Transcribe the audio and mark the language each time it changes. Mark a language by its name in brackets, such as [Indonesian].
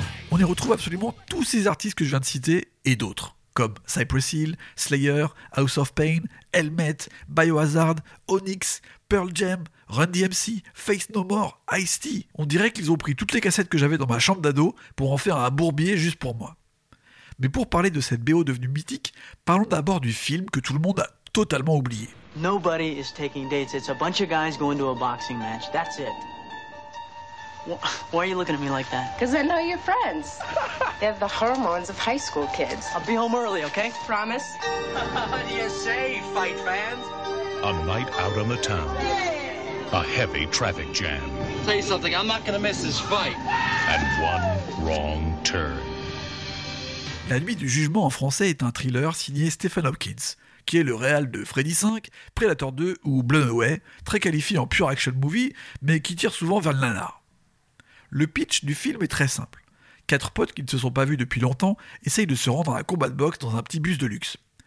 [French] On y retrouve absolument tous ces artistes que je viens de citer et d'autres, comme Cypress Hill, Slayer, House of Pain, Helmet, Biohazard, Onyx, Pearl Jam, Run DMC, Faith No More, Ice-T. On dirait qu'ils ont pris toutes les cassettes que j'avais dans ma chambre d'ado pour en faire un bourbier juste pour moi. Mais pour parler de cette BO devenue mythique, parlons d'abord du film que tout le monde a totalement oublié. [English] Nobody is taking dates, it's a bunch of guys going to a boxing match, that's it. Why are you looking at me like that? Because I know your friends. They have the hormones of high school kids. I'll be home early, okay? Promise? What do you say, fight fans? A night out on the town. Yeah. A heavy traffic jam. Tell you something, I'm not going to miss this fight. And one wrong turn. [French] La nuit du jugement en français est un thriller signé Stephen Hopkins, qui est le réal de Freddy 5, Predator 2 ou Blown Away, très qualifié en pure action movie, mais qui tire souvent vers le nanar. Le pitch du film est très simple. Quatre potes qui ne se sont pas vus depuis longtemps essayent de se rendre à un combat de boxe dans un petit bus de luxe.